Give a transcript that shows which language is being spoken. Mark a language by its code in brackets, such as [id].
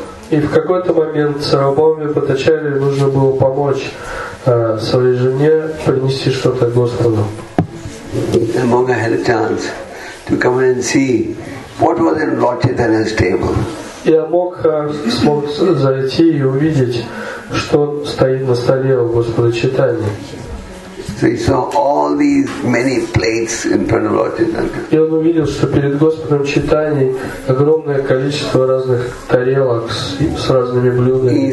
[ru] И в какой-то момент Сарвабхауме Бхаттачарье нужно было помочь своей жене принести что-то Господу. [en] Амога had a chance to come and see what was in Lord Chaitanya's table. [ru] И Амога смог зайти и увидеть, что стоит на столе у Господа Чайтанья. [en] So [ru] и он увидел, что перед Господом Чайтаньей огромное количество разных тарелок с разными блюдами.